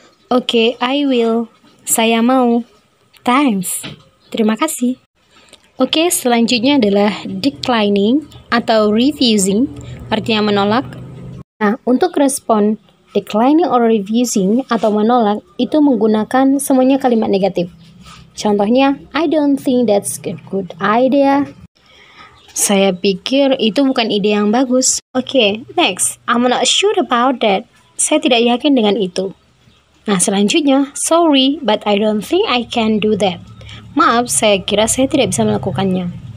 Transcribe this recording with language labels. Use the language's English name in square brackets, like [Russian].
[English] Okay, I will. [Indonesian] Saya mau. [English] Thanks. [Indonesian] Terima kasih. Okay, selanjutnya adalah declining atau refusing. Artinya menolak. Nah, untuk respon declining or refusing atau menolak, itu menggunakan semuanya kalimat negatif. Contohnya, [English] I don't think that's a good idea. [Indonesian] Saya pikir itu bukan ide yang bagus. [English] Okay, next. I'm not sure about that. [Indonesian] Saya tidak yakin dengan itu. Nah, selanjutnya. [English] Sorry, but I don't think I can do that. [Indonesian] Maaf, saya kira saya tidak bisa melakukannya.